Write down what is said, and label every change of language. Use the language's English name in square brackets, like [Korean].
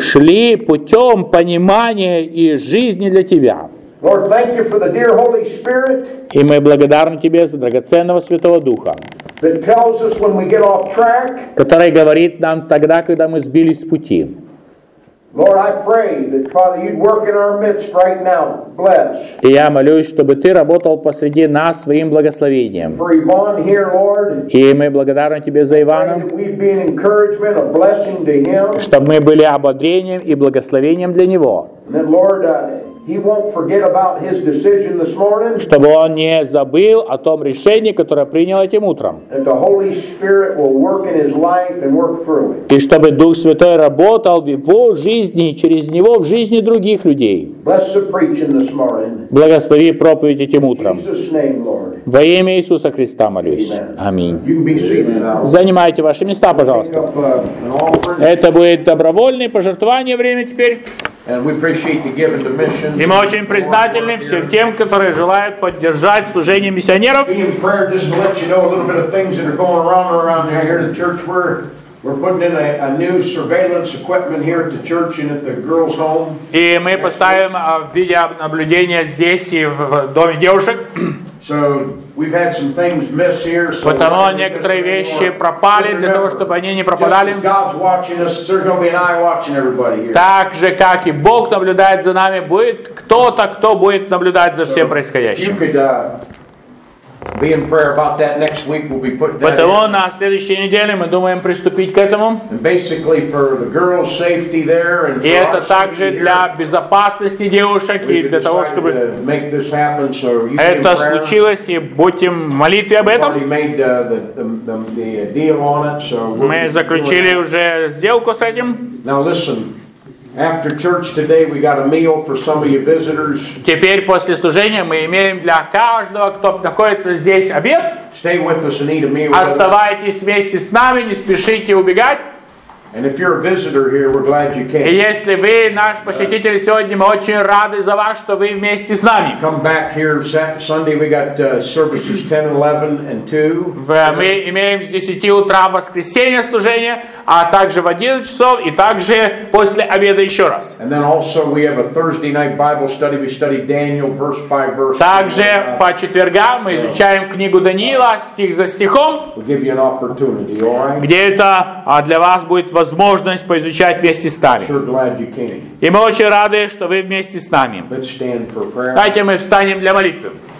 [Russian] шли путем понимания и жизни для Тебя. [English] Lord, thank you for the dear Holy Spirit. [Russian] И мы благодарны Тебе за драгоценного Святого Духа, [English] that tells us when we get off track, [Russian] который говорит нам тогда, когда мы сбились с пути. [English] Lord, I pray that Father, you'd work in our midst right now. Bless. [Russian] И я молюсь, чтобы Ты работал посреди нас своим благословением. [English] For Yvonne here, Lord. [Russian] И мы благодарны Тебе за Ивана. [English] We'd be an encouragement, a blessing to him. [Russian] Чтобы мы были ободрением и благословением для него. [English] And then, Lord, he won't forget about his decision this morning. [Russian] Чтобы он не забыл о том решении, которое принял этим утром. [English] And the Holy Spirit will work in his life and work through it. [Russian] И чтобы Дух Святой работал в его жизни и через него в жизни других людей. [English] Bless the preaching this morning. [Russian] Благослови проповедь этим утром. [English] In Jesus' name, Lord. [Russian] Во имя Иисуса Христа молюсь. [English] Amen. [Russian] Аминь. [English] You can be seated. [Russian] Занимайте ваши места, пожалуйста. Это будет добровольное пожертвование, время теперь. [English] And we appreciate the giving to missions. [Russian] И мы очень признательны всем тем, которые желают поддержать служение миссионеров. [English] Be in prayer just to let you know a little bit of things that are going wrong around here. Here at the church, we're putting in a new surveillance equipment here at the church and at the girls' home. [Russian] И мы поставим видеонаблюдение здесь и в доме девушек. [English] So we've had some things miss here. So [Russian] потому некоторые вещи пропали, [English] remember, [Russian] для того, чтобы они не пропадали. [English] Just as God's watching us, there's going to be an eye watching everybody here. [Russian] Так же, как и Бог наблюдает за нами, будет кто-то, кто будет наблюдать за всем происходящим. [English] You could be in prayer about that next week. We'll be putting. [Russian] Потому на следующей неделе мы думаем приступить к этому. [English] And basically for the girls' safety there, and [Russian] и это также для безопасности девушек и для того, чтобы [English] make this happen, so [Russian] это случилось, и будем молить об этом. Мы заключили уже сделку с этим. [English] Now listen. After church today, we got a meal for some of your visitors. [Russian] Теперь после служения мы имеем для каждого, кто находится здесь, обед. [English] Stay with us and eat a meal. [Russian] Оставайтесь вместе с нами, не спешите убегать. [English] And if you're a visitor here, we're glad you came. [Russian] И если вы наш посетитель сегодня, мы очень рады за вас, что вы вместе с нами. [English] Come back here Sunday. We got services 10, 11, and 2. [Russian] Мы имеем с 10 утра воскресенье служение, а также в 11 часов и также после обеда еще раз. [English] And then also we have a Thursday night Bible study. We study Daniel verse by verse. [Russian] Также по четвергам мы изучаем книгу Даниила стих за стихом. [English] We'll give you an opportunity, all right? [Russian] Где это для вас будет возможность поизучать вместе с нами. И мы очень рады, что вы вместе с нами. Давайте мы встанем для молитвы.